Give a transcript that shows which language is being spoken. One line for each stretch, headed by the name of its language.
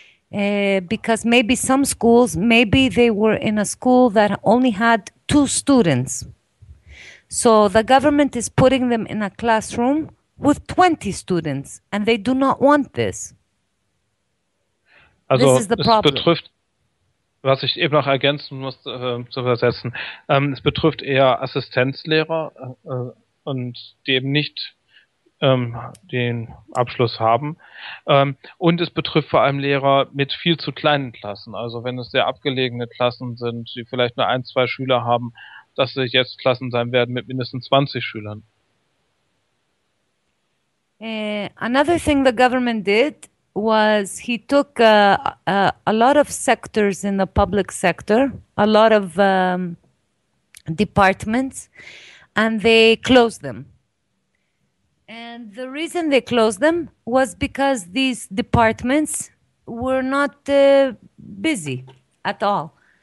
English: Because maybe some schools, maybe they were in a school that only had 2 students. So the government is putting them in a classroom with 20 students, and they do not want this. Also, this is the problem.
German: Was ich eben noch ergänzen muss, zu versetzen, es betrifft eher Assistenzlehrer und die eben nicht den Abschluss haben. Und es betrifft vor allem Lehrer mit viel zu kleinen Klassen. Also wenn es sehr abgelegene Klassen sind, die vielleicht nur 1, 2 Schüler haben, dass es jetzt Klassen sein werden mit mindestens 20 Schülern.
English: Another thing the government did was he took a lot of sectors in the public sector, a lot of departments, and they closed them. And the reason they closed them was because these departments were not busy at all.